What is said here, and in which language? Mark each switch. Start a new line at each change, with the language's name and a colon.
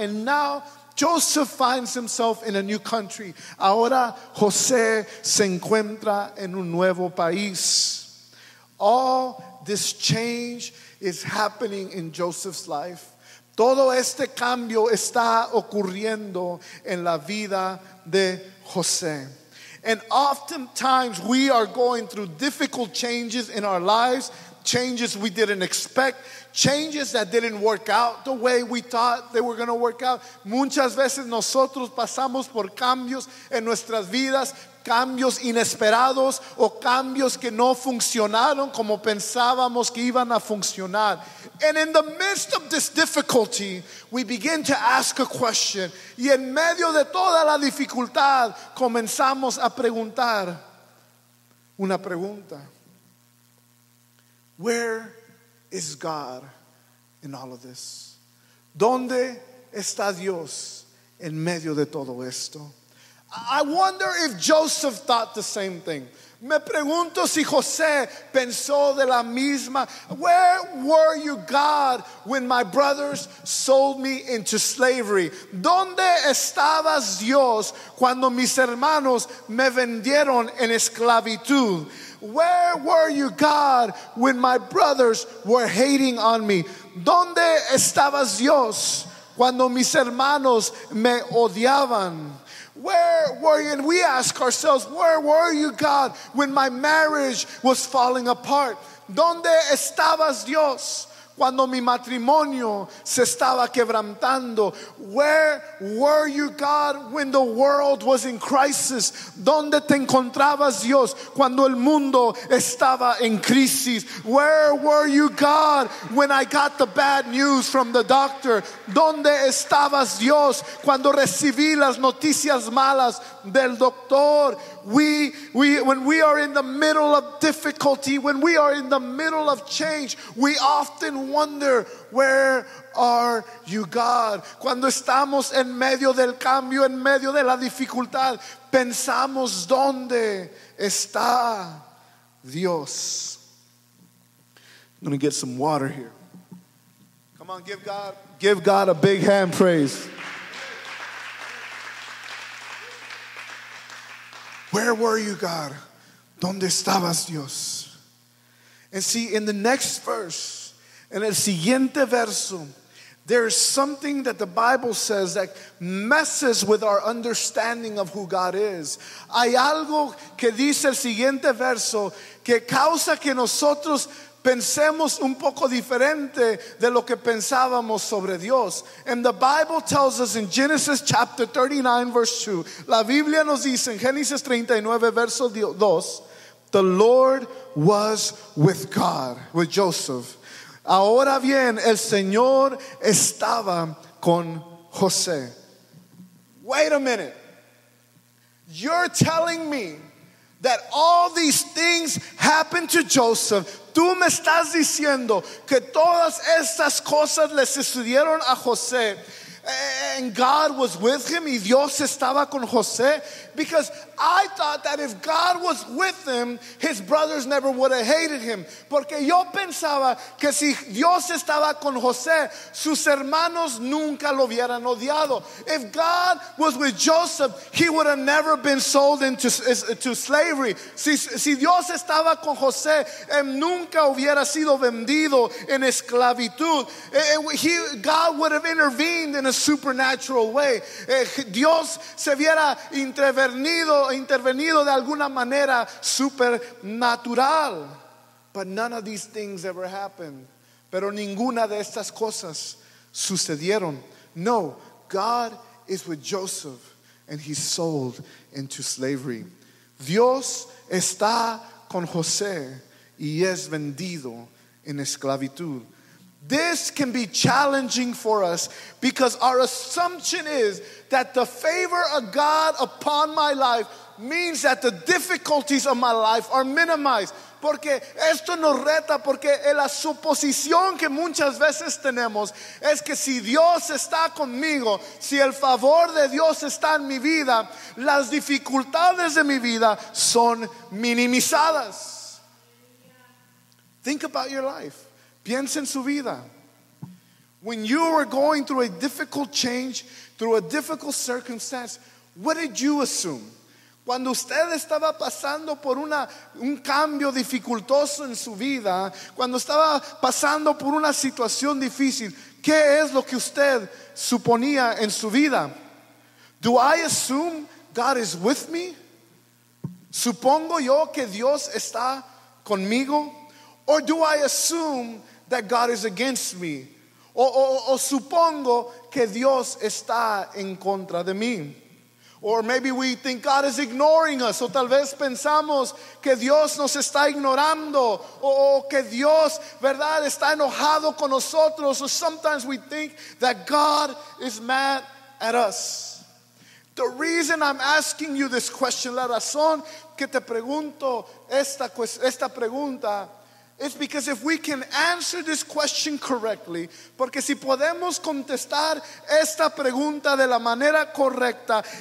English: And now Joseph finds himself in a new country.
Spanish: Ahora José se encuentra en un nuevo país.
English: All this change is happening in Joseph's life.
Spanish: Todo este cambio está ocurriendo en la vida de José.
English: And oftentimes we are going through difficult changes in our lives, changes we didn't expect, changes that didn't work out the way we thought they were going to work out.
Spanish: Muchas veces nosotros pasamos por cambios en nuestras vidas, cambios inesperados o cambios que no funcionaron como pensábamos que iban a funcionar.
English: And in the midst of this difficulty, we begin to ask a question.
Spanish: Y en medio de toda la dificultad, comenzamos a preguntar una pregunta.
English: Where is God in all of this?
Spanish: ¿Dónde está Dios en medio de todo esto?
English: I wonder if Joseph thought the same thing.
Spanish: Me pregunto si José pensó de la misma.
English: Where were you, God, when my brothers sold me into slavery?
Spanish: ¿Dónde estabas, Dios, cuando mis hermanos me vendieron en esclavitud?
English: Where were you, God, when my brothers were hating on me?
Spanish: ¿Dónde estabas, Dios, cuando mis hermanos me odiaban?
English: Where were you? And we ask ourselves, where were you, God, when my marriage was falling apart?
Spanish: ¿Dónde estabas, Dios, cuando mi matrimonio se estaba quebrantando?
English: Where were you, God, when the world was in crisis?
Spanish: ¿Dónde te encontrabas, Dios, cuando el mundo estaba en crisis?
English: Where were you, God, when I got the bad news from the doctor?
Spanish: ¿Dónde estabas, Dios, cuando recibí las noticias malas del doctor?
English: When we are in the middle of difficulty, when we are in the middle of change, we often wonder, where are you, God?
Spanish: Cuando estamos en medio del cambio, en medio de la dificultad, pensamos, ¿dónde está Dios?
English: I'm going to get some water here. Come on, give God a big hand praise. Where were you, God?
Spanish: ¿Dónde estabas, Dios?
English: And see, in the next verse, in
Spanish: el siguiente verso,
English: there is something that the Bible says that messes with our understanding of who God is.
Spanish: Hay algo que dice el siguiente verso que causa que nosotros pensemos un poco diferente de lo que pensábamos sobre Dios.
English: And the Bible tells us in Genesis chapter 39 verse 2.
Spanish: La Biblia nos dice en Génesis 39 verso 2.
English: The Lord was with God, with Joseph.
Spanish: Ahora bien, el Señor estaba con José.
English: Wait a minute. You're telling me that all these things happened to Joseph.
Spanish: Tú me estás diciendo que todas estas cosas le sucedieron a José.
English: And God was with him.
Spanish: Y Dios estaba con José.
English: Because I thought that if God was with him, his brothers never would have hated him.
Spanish: Porque yo pensaba que si Dios estaba con José, sus hermanos nunca lo hubieran odiado.
English: If God was with Joseph, he would have never been sold into slavery.
Spanish: Si Dios estaba con José, él nunca hubiera sido vendido en esclavitud.
English: God would have intervened in a supernatural way.
Spanish: Dios se hubiera intervenido de alguna manera supernatural.
English: But none of these things ever happened.
Spanish: Pero ninguna de estas cosas sucedieron.
English: No, God is with Joseph and he's sold into slavery.
Spanish: Dios está con José y es vendido en esclavitud.
English: This can be challenging for us because our assumption is that the favor of God upon my life means that the difficulties of my life are minimized.
Spanish: Porque esto nos reta, porque la suposición que muchas veces tenemos es que si Dios está conmigo, si el favor de Dios está en mi vida, las dificultades de mi vida son minimizadas.
English: Think about your life.
Spanish: Piensa en su vida.
English: When you were going through a difficult change, through a difficult circumstance, what did you assume?
Spanish: Cuando usted estaba pasando por un cambio dificultoso en su vida, cuando estaba pasando por una situación difícil, ¿qué es lo que usted suponía en su vida?
English: Do I assume God is with me?
Spanish: ¿Supongo yo que Dios está conmigo?
English: Or do I assume that God is against me?
Spanish: O supongo que Dios está en contra de mí?
English: Or maybe we think God is ignoring us.
Spanish: O tal vez pensamos que Dios nos está ignorando. O que Dios, verdad, está enojado con nosotros.
English: Or sometimes we think that God is mad at us. The reason I'm asking you this question,
Spanish: la razón que te pregunto esta pregunta,
English: is because if we can answer this question correctly,
Spanish: porque si podemos contestar esta pregunta de la manera correcta,